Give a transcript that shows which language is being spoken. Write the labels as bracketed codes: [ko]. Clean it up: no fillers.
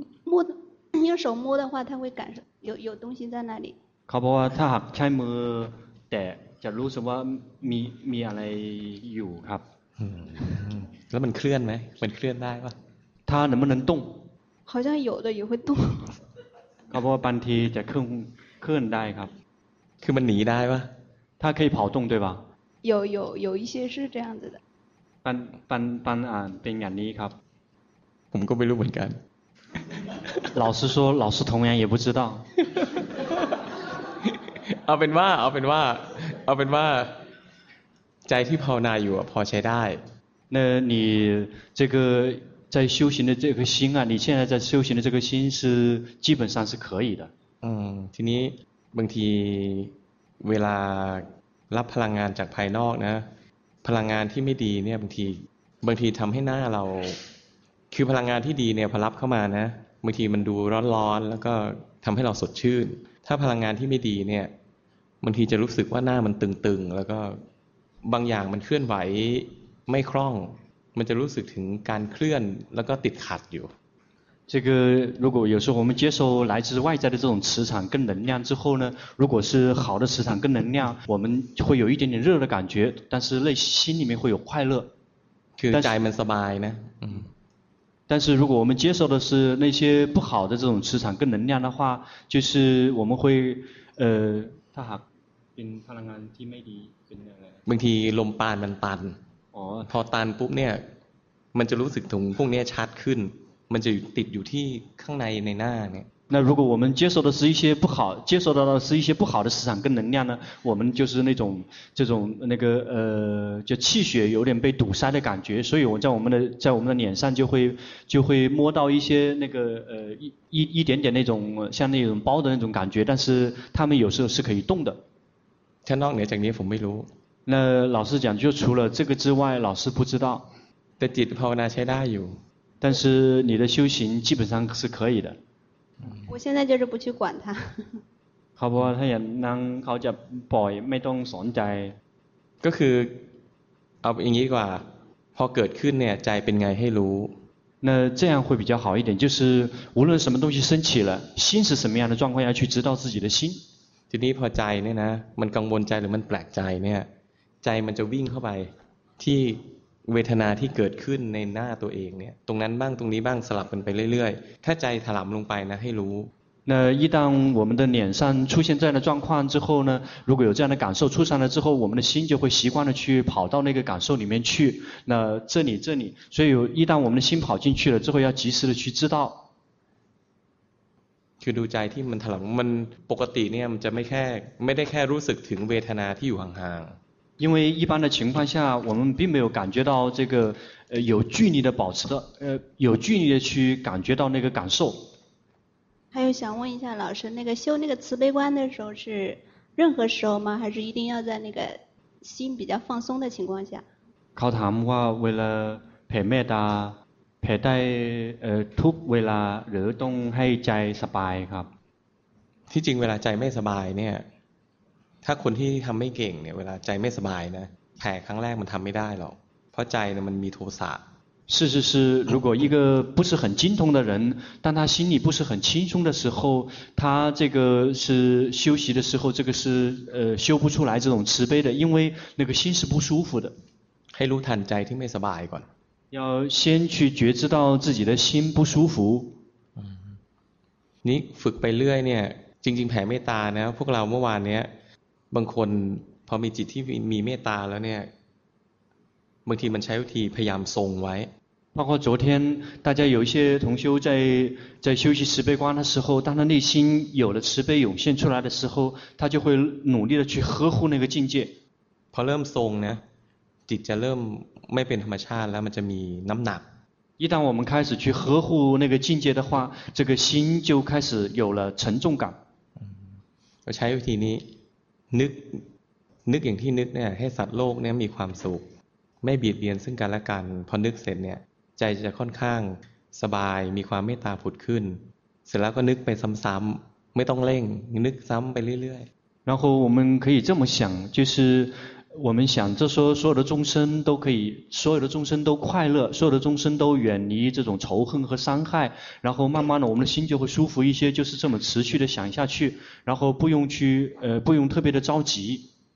[zh] 摸用手摸的话他会感受有东西在那里 [th] เขาบอกว่าถ้าหากใช้มือแต่จะรู้สึกว่ามีอะไรอยู่ครับ แล้วมันเคลื่อนไหมมันเคลื่อนได้ป่ะ [zh] ถ้า能不能动好像有的也会动 [th] เขาบอกว่าบางทีจะเคลื่อนได้ครับ คือมันหนีได้ป่ะ [zh] ถ้า可以跑动对吧有一些是这样子的 [th] ปันอ่านเป็นอย่างนี้ครับ ผมก็ไม่รู้เหมือนกัน [zh] 老师说老师同样也不知道 [th] เอาเป็นว่าใจที่ภาวนาอยู่พอใช้ได้ [zh] 那你这个在修行的这个心啊你现在在修行的这个心是基本上是可以的 [th] ทีนี้บางทีเวลารับพลังงานจากภายนอกนะพลังงานที่ไม่ดีเนี่ยบางทีทำให้หน้าเราคือพลังงานที่ดีเนี่ยพอรับเข้ามานะบางทีมันดูร้อนๆแล้วก็ทำให้เราสดชื่นถ้าพลังงานที่ไม่ดีเนี่ยบางทีจะรู้สึกว่าหน้ามันตึงๆแล้วก็บางอย่างมันเคลื่อนไหวไม่คล่องมันจะรู้สึกถึงการเคลื่อนแล้วก็ติดขัดอยู่ [zh] 这个如果有时候我们接受来自外在的这种磁场跟能量之后呢如果是好的磁场跟能量我们会有一点点热的感觉但是内心里面会有快乐但是 [th] ใจมันสบายนะ [zh] 但是如果我们接受的是那些不好的这种磁场跟能量的话就是我们会 [th] ถ้าหากเป็นพลังงานที่ไม่ดีเป็นอะไร บางทีลมปานมันตันพอตันปุ๊บเนี่ยมันจะรู้สึกถึงพวกนี้ชัดขึ้นมันจะติดอยู่ที่ข้างในในหน้าเนี่ย [zh] 那如果我们接受的是一些不好接受到的是一些不好的磁场跟能量呢我们就是那种这种那个就气血有点被堵塞的感觉所以我们的脸上就会摸到一些那个一点点那种像那种包的那种感觉但是他们有时候是可以动的 [th] ฉันนอกเหนือจากนี้ผมไม่รู้ [zh] 那老师讲就除了这个之外老师不知道 [th] แต่จิตภาวนาใช้ได้อยู่ [zh] 但是你的修行基本上是可以的我现在就是不去管他 [th] เขาบอกว่าถ้าอย่างนั้นเขาจะปล่อยไม่ต้องสนใจ ก็คือเอาอย่างนี้กว่าพอเกิดขึ้นเนี่ยใจเป็นไงให้รู้ [zh] 那这样会比较好一点就是无论什么东西升起了心是什么样的状况要去知道自己的心 [th] ทีนี้พอใจเนี่ยนะมันกังวลใจหรือมันแปลกใจเนี่ยใจมันจะวิ่งเข้าไปที่เวทนาที่เกิดขึ้นในหน้าตัวเองเนี่ยตรงนั้นบ้างตรงนี้บ้างสลับกันไปเรื่อยๆถ้าใจถลำลงไปนะให้รู้ [zh] 那一旦我们的脸上出现这样的状况之后呢如果有这样的感受出现了之后我们的心就会习惯的去跑到那个感受里面去那这里这里所以一旦我们的心跑进去了之后要及时的去知道 [th] คือดูใจที่มันถลำมันปกติเนี่ยมันจะไม่แค่ไม่ได้แค่รู้สึกถึงเวทนาที่อยู่ห่าง [zh] ๆ因为一般的情况下我们并没有感觉到这个有距离的保持的有距离的去感觉到那个感受还有想问一下老师那个修那个慈悲观的时候是任何时候吗还是一定要在那个心比较放松的情况下靠谈话为了陪灭的 [th] เพ่ได้ทุกเวลาหรือต้องให้ใจสบายครับ ที่จริงเวลาใจไม่สบายเนี่ยถ้าคนที่ทำไม่เก่งเนี่ยเวลาใจไม่สบายนะแผ่ครั้งแรกมันทำไม่ได้หรอกเพราะใจเนี่ยมันมีโทสะ [zh] 是是是如果一个不是很精通的人当他心里不是很轻松的时候他这个是休息的时候这个是修不出来这种慈悲的因为那个心是不舒服的 [th] ให้รู้ทันใจที่ไม่สบายก่อน [zh] 要先去觉知到自己的心不舒服你 [th] ฝึกไปเรื่อยเนี่ยจริงๆแผ่เมตตานะพวกเราเมื่อวานเนี้ยบางคนพอมีจิตที่มีเมตตาแล้วเนี่ยบางทีมันใช้วิธีพยายามทรงไว้ [zh] 包括昨天大家有一些同修在修习慈悲观的时候当他内心有了慈悲涌现出来的时候他就会努力的去呵护那个境界 [th] พอเริ่มทรงนะจิตจะเริ่มไม่เป็นธรรมชาติแล้วมันจะมีน้ำหนัก [zh] 一旦我们开始去呵护那个境界的话这个心就开始有了沉重感我 [th] ใช้วิธีนี้นึกอย่างที่นึกเนี่ยให้สัตว์โลกเนี่ยมีความสุขไม่เบียดเบียนซึ่งกันและกันพอนึกเสร็จเนี่ยใจจะค่อนข้างสบายมีความเมตตาผุดขึ้นเสร็จแล้วก็นึกไปซ้ำๆไม่ต้องเร่งนึกซ้ำไปเรื่อย [zh] ๆ然后我们可以这么想就是我们想着说所有的众生都可以所有的众生都快乐所有的众生都远离这种仇恨和伤害然后慢慢的我们的心就会舒服一些就是这么持续的想下去然后不用去不用特别的着急